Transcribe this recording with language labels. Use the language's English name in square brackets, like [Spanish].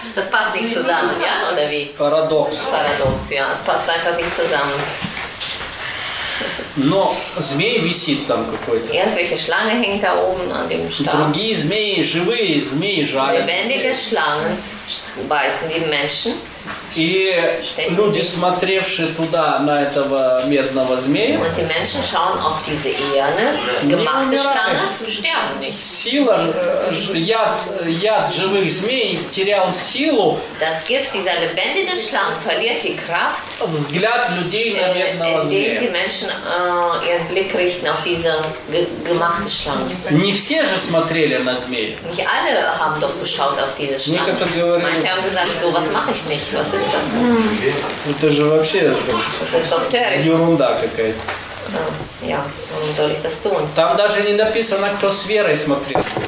[German] Das passt nicht zusammen, ja, oder wie? Paradox. Paradox, ja, das passt einfach nicht zusammen. [Russian] Но змей висит там какой-то. [German] Irgendwelche Schlange hängt da oben an dem Stab. [Russian] Другие змеи, живые змеи жалят. [German] Lebendige Schlangen beißen die Menschen. [Russian] И люди, смотревшие туда, на этого медного змея, [German] und die Menschen schauen auf diese eherne, gemachte Schlange, sterben nicht. [Russian] Сила, яд живых змей терял силу. [German] Das Gift dieser lebendigen Schlange verliert die Kraft, [Russian] взгляд людей на медного змея. [German] Indem die Menschen ihren Blick richten auf diese gemachte Schlange. [Russian] Не все же смотрели на змея. [German] Nicht alle haben doch geschaut auf diese Schlange. [Russian] Некоторые [German] Manche [Russian] говорили, [German] haben gesagt, so was mache ich nicht. Was [Russian] Это же вообще ерунда какая-то. [German] Ja, [Russian] там даже не написано, кто с верой смотрел.